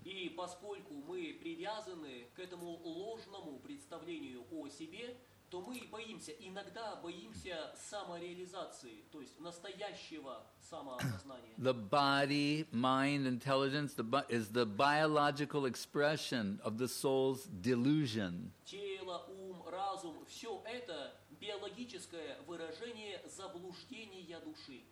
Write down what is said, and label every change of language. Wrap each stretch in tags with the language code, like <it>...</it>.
<ru>И поскольку мы привязаны к этому ложному представлению о себе, то мы боимся, иногда боимся самореализации, то есть настоящего самосознания.</ru> <en>The body, mind, intelligence is the biological expression of the soul's delusion.</en> <ru>Тело, ум, разум, все это биологическое выражение заблуждения души.</ru>